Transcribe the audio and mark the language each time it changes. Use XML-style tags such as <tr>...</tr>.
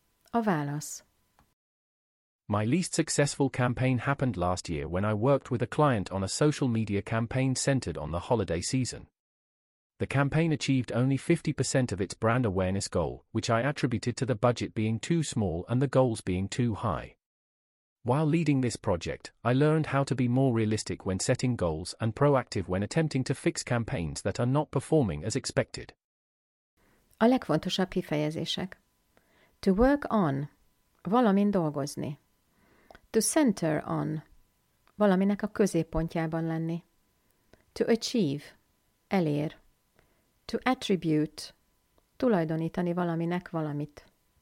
<hu>A válasz.</hu> <en>My least successful campaign happened last year when I worked with a client on a social media campaign centered on the holiday season. The campaign achieved only 50% of its brand awareness goal, which I attributed to the budget being too small and the goals being too high. While leading this project, I learned how to be more realistic when setting goals and proactive when attempting to fix campaigns that are not performing as expected.</en> <hu>A legfontosabb kifejezések.</hu> <en>To work on,</en> <hu>valamin dolgozni.</hu> <en>To center on,</en> <hu>valaminek a középpontjában lenni.</hu> <en>To achieve,</en> <hu>elér.</hu> <en>To attribute,</en> <hu>tulajdonítani valaminek valamit.</hu>